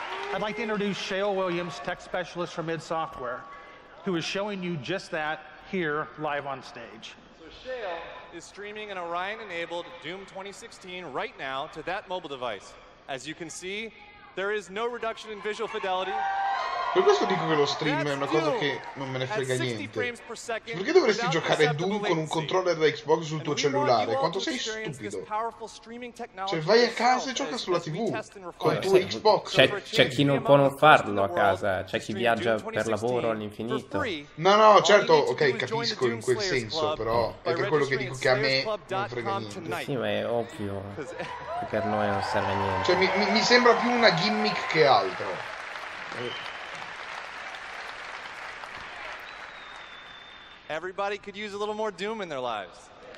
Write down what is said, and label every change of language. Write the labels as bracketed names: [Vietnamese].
[English] I'd like to introduce Shale Williams, tech specialist from id Software, who is showing you just that here live on stage. So Shale is streaming an Orion-enabled Doom 2016 right now to that mobile device. As you can see, there is no reduction in visual fidelity. [Italian] Per questo dico che lo stream è una cosa che non me ne frega niente. Perché dovresti giocare Doom con un controller da Xbox sul tuo cellulare? Quanto sei stupido? Cioè vai a casa e gioca sulla TV con il tuo Xbox. C'è chi non può non farlo a casa, c'è chi viaggia per lavoro all'infinito. No, no, certo, ok, capisco in quel senso, però è per quello che dico che a me non frega niente. Sì, ma è ovvio, per noi non serve niente. Cioè mi sembra più una gimmick che altro. [English] Everybody could use a little more Doom in their lives.